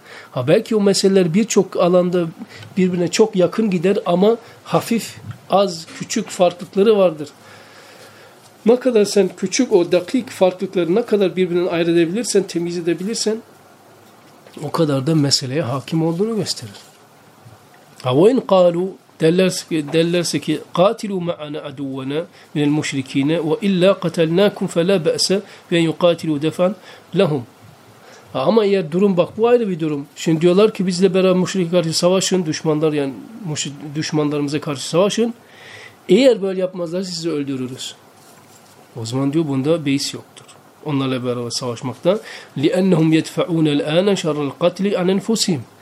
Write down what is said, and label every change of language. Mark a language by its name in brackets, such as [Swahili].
[Turkish] Ha belki o meseleler birçok alanda birbirine çok yakın gider ama hafif, az, küçük farklılıkları vardır. Ne kadar sen küçük o dakik farklılıkları ne kadar birbirinden ayırabilirsen, temiz edebilirsen o kadar da meseleye hakim olduğunu gösterir. [Arabic] Ha وَاِنْ قَالُوا [Turkish] derlerse ki [Arabic] قَاتِلُوا مَعَنَا اَدُوَّنَا مِنَ الْمُشْرِك۪ينَ وَاِلَّا قَتَلْنَاكُمْ فَلَا بَأْسَ وَاِنْ يُقَاتِلُوا دَفَنْ لَهُمْ. [Turkish] Ama eğer durum bak bu ayrı bir durum. Şimdi diyorlar ki bizle beraber müşrik karşı savaşın, düşmanlar yani düşmanlarımıza karşı savaşın. Eğer böyle yapmazlarsa sizi öldürürüz. O zaman diyor bunda beis yoktur. Onlarla beraber savaşmakta [Arabic] لِأَنَّهُمْ يَدْفَعُونَ الْآنَ شَرَ الْقَتْلِ عَنْ اَنْفُسِهِمْ.